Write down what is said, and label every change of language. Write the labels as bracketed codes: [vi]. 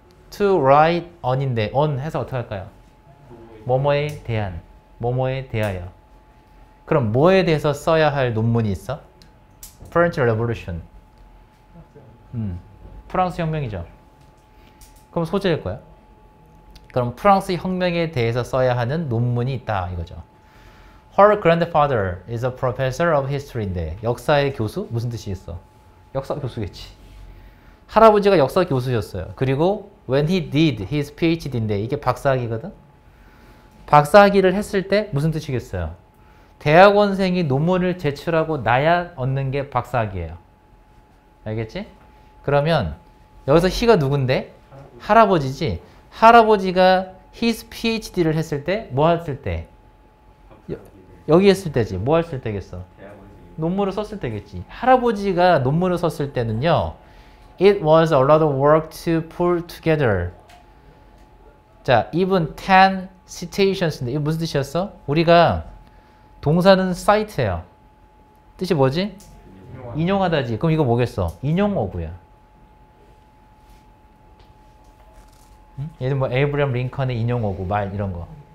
[en] to write on [ko] 인데, on 해서 어떻게 할까요? 뭐뭐에 대한, 뭐뭐에 대하여. 그럼 뭐에 대해서 써야 할 논문이 있어? [en] French Revolution. [ko] 프랑스 혁명이죠. 그럼 소재일 거야. 그럼 프랑스 혁명에 대해서 써야 하는 논문이 있다, 이거죠. [en] Her grandfather is a professor of history인데 [ko] 역사의 교수? 무슨 뜻이 있어? 역사 교수겠지. 할아버지가 역사 교수셨어요. 그리고 [en] when he did his PhD인데 [ko] 이게 박사학위거든? 박사학위를 했을 때 무슨 뜻이겠어요? 대학원생이 논문을 제출하고 나야 얻는 게 박사학위예요. 알겠지? 그러면 여기서 he가 누군데? 할아버지지. 할아버지가 his PhD를 했을 때뭐 했을 때? 여기 했을 때지. 뭐 했을 때겠어? 논문을 썼을 때겠지. 할아버지가 논문을 썼을 때는요. [en] It was a lot of work to pull together. [ko] 자, [en] even 10 citations [ko] 인데 이거 무슨 뜻이었어? 우리가 동사는 cite예요. 뜻이 뭐지? 인용하다지. 그럼 이거 뭐겠어? 인용어구야. 응? 얘는 뭐 에이브럼 링컨의 인용어구 말 이런 거.